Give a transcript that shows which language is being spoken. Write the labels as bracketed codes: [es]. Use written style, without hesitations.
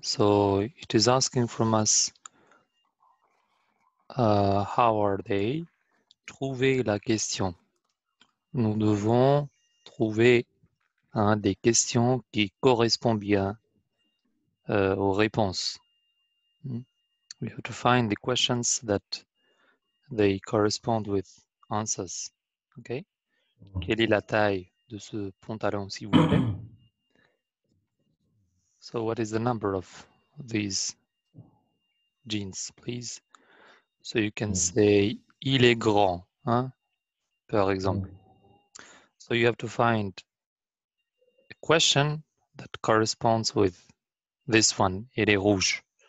[en] So it is asking from us, how are they? [fr] Trouver la question. Nous devons trouver hein, des questions qui correspondent bien aux réponses. [en] We have to find the questions that they correspond with answers. Okay. [fr] Quelle est la taille de ce pantalon, s'il vous plaît? [en] So, what is the number of these jeans, please? So, you can say, [fr] il est grand, hein? Par exemple. [en] So, you have to find question that corresponds with this one, [fr] il est rouge.